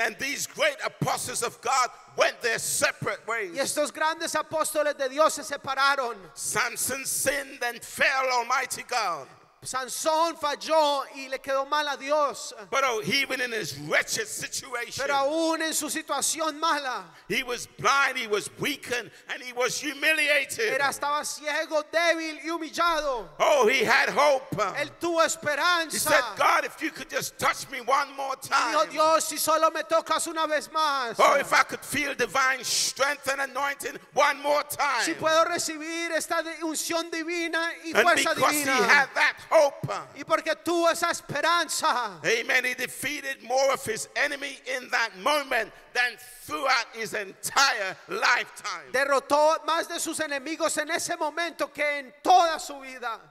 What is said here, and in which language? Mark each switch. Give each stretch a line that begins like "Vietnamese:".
English: And these great apostles of God went their separate ways.
Spanish: Y estos grandes apóstoles de Dios se separaron.
English: Samson sinned and fell, Almighty God.
Spanish: Sansón falló y le quedó mal a Dios.
English: But even in his wretched situation,
Spanish: pero aún en su situación mala,
English: he was blind, he was weakened, and he was humiliated.
Spanish: Era estaba ciego, débil y humillado.
English: Oh, he had hope.
Spanish: Él tuvo esperanza.
English: He said, God, if you could just touch me one more time.
Spanish: Y dijo, Dios, si solo me tocas una vez más.
English: Oh, if I could feel divine strength and anointing one more time.
Spanish: Si puedo recibir esta unción divina y fuerza divina.
English: And because he had that hope.
Spanish: Y porque tuvo esa esperanza.
English: Amen. He defeated more of his enemy in that moment than throughout his entire lifetime.
Spanish: Derrotó más de sus enemigos en ese momento que en toda su vida.